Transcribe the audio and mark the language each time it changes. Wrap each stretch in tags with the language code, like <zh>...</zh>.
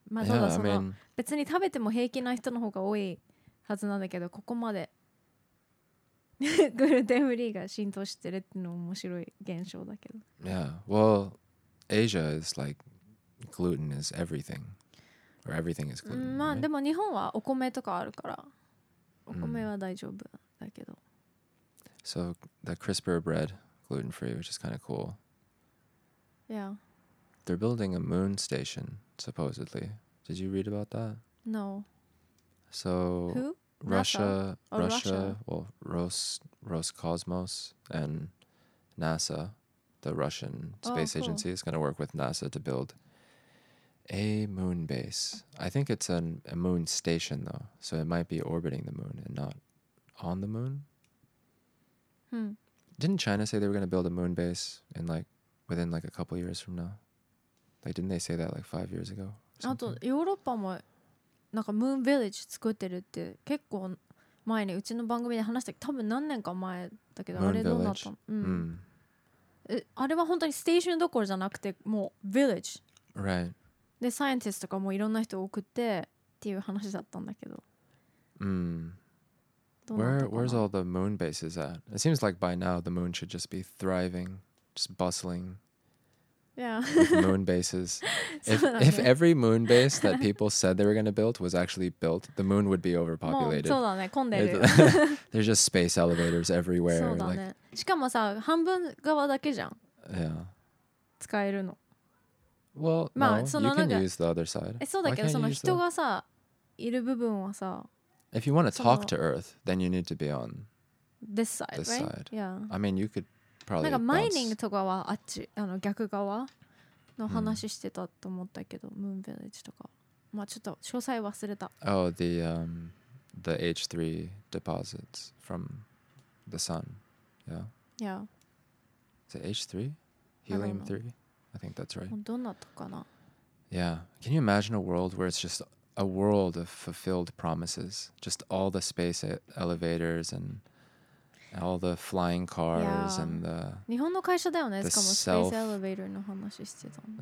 <ja>まあただその別に食べても平気な人の方が多いはずなんだけど、ここまでグルテンフリーが浸透してるっていうのも面白い現象だけど。</ja> <en>Yeah. Well, Asia is like gluten is everything. Or everything is gluten,</en> <ja>まあ</ja> <en>right?</en> <ja>でも日本はお米とかあるからお米は大丈夫だけど。</ja> <en>So the CRISPR bread, gluten free, which is kind of cool. Yeah. They're building a moon station, supposedly. Did you read about that? No. So who? Roscosmos and NASA, the Russian space agency, is going to work with NASA to build. A moon base. I think it's a moon station though, so it might be orbiting the moon and not on the moon. Didn't China say they were going to build a moon base in like within like a couple years from now? Like, didn't they say that like 5 years ago?</en> <ja>あとヨーロッパもなんかムーンビレッジ作ってるって結構前にうちの番組で話したけど、多分何年か前だけど、</ja> <en>moon、</en> <ja>あれどうなったの？あれは本当にステーションどころじゃなくてもうビレッジ。</ja> <en>Right.</en> <ja>で、サイエンティストとかもいろんな人を送ってっていう話だったんだけど。</ja> <en>Where's all the moon bases at? It seems like by now the moon should just be thriving, just bustling. Yeah. Moon bases. if every moon base that people said they were going to build was actually built, the moon would be overpopulated.</en> <ja>もうそうだね、混んでる。</ja> <en>There's just space elevators everywhere.</en> <ja>そうだね。Like, しかもさ、半分側だけじゃん。</ja> <en>Yeah.</en> <ja>使えるの。</ja> <en>Well, まあ、no, you can use the other side.</en> <ja>そうだけど、その人がさ、いる部分はさ、</ja> <en>If you want to talk to Earth, then you need to be on this side, this right? Side. Yeah. I mean, you could probably</en> <ja>なんかマイニングとかはあっち、あの逆側の話してたと思ったけど、Moon Village とか。まあちょっと詳細忘れた。</ja> <en>Oh, the H3 deposits from the sun. Yeah. Yeah. Is it H3? Helium-3? I think that's right.</en> <ja>どうなったかな?</ja> <en>Yeah. Can you imagine a world where it's just a world of fulfilled promises? Just all the space elevators and all the flying cars and the...</en> <ja>日本の会社だよね。しかもスペースエレベーターの話してたの。</ja>